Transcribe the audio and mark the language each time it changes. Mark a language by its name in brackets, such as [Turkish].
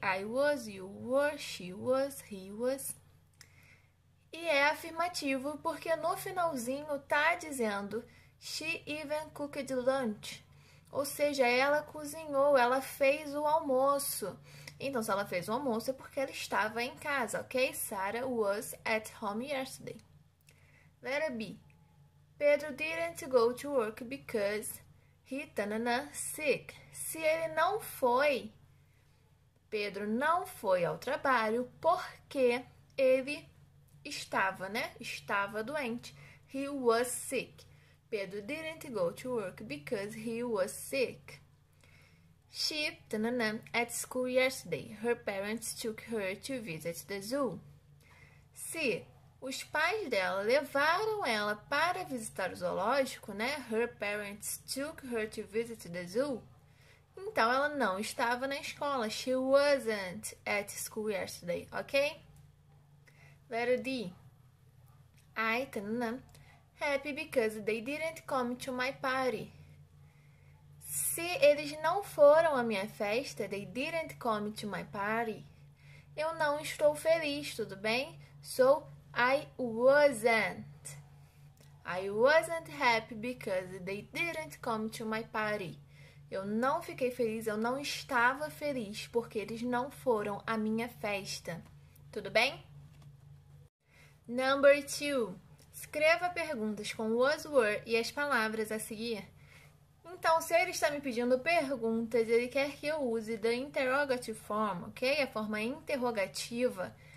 [English] I was, you were, she was, he was. [Portuguese] E é afirmativo porque no finalzinho tá dizendo [English] she even cooked lunch. [Portuguese] Ou seja, ela cozinhou, ela fez o almoço. Então, se ela fez o almoço é porque ela estava em casa, ok? [English] Sarah was at home yesterday. Letter B. Pedro didn't go to work because he tanana sick. [Portuguese] Se ele não foi, Pedro não foi ao trabalho porque ele estava, né? Estava doente. [English] He was sick. Pedro didn't go to work because he was sick. She, tanana, at school yesterday. Her parents took her to visit the zoo. [Portuguese] Se os pais dela levaram ela para visitar o zoológico, né? [English] Her parents took her to visit the zoo. [Portuguese] Então ela não estava na escola. [English] She wasn't at school yesterday, ok? Letter D. I, tanana, happy because they didn't come to my party. [Portuguese] Se eles não foram à minha festa, [English] they didn't come to my party, [Portuguese] eu não estou feliz, tudo bem? [English] So, I wasn't. I wasn't happy because they didn't come to my party. [Portuguese] Eu não fiquei feliz, eu não estava feliz porque eles não foram à minha festa. Tudo bem? Number 2. Escreva perguntas com was, were e as palavras a seguir. Então, Então, se ele está me pedindo perguntas, ele quer que eu use the interrogative form, ok? A forma interrogativa.